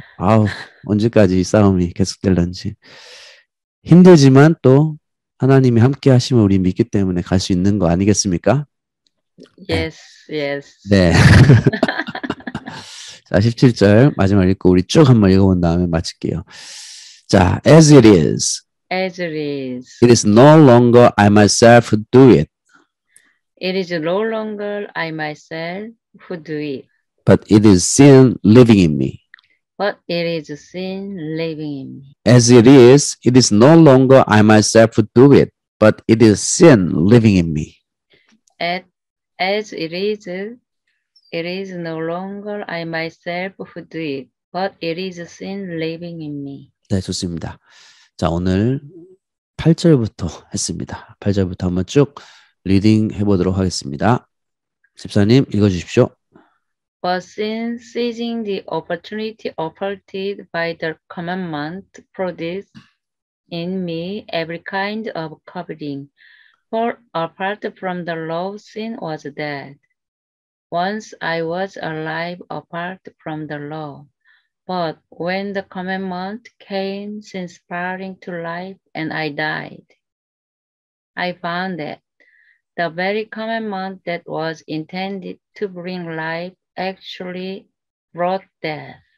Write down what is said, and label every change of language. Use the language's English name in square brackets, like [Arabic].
[Korean] 아우 언제까지 이 싸움이 계속될런지. 힘들지만 또 하나님이 함께 하시면 우리 믿기 때문에 갈 수 있는 거 아니겠습니까? [English] Yes, yes. [Korean] 네. 자, 17절 마지막 읽고 우리 쭉 한번 읽어본 다음에 마칠게요. [English] 자, as it is. As it is. It is no longer I myself who do it. It is no longer I myself who do it. But it is sin living in me. But it is sin living in me. As it is no longer I myself who do it, but it is sin living in me. As it is no longer I myself who do it, but it is sin living in me. [Korean] 네, 좋습니다. 자, 오늘 8절부터 했습니다. 8절부터 한번 쭉 리딩 해보도록 하겠습니다. 집사님, 읽어주십시오. [English] But since seizing the opportunity offered by the commandment produced in me every kind of coveting, for apart from the law, sin was dead. Once I was alive apart from the law, but when the commandment came, since sparing to life and I died, I found that the very commandment that was intended to bring life actually brought death.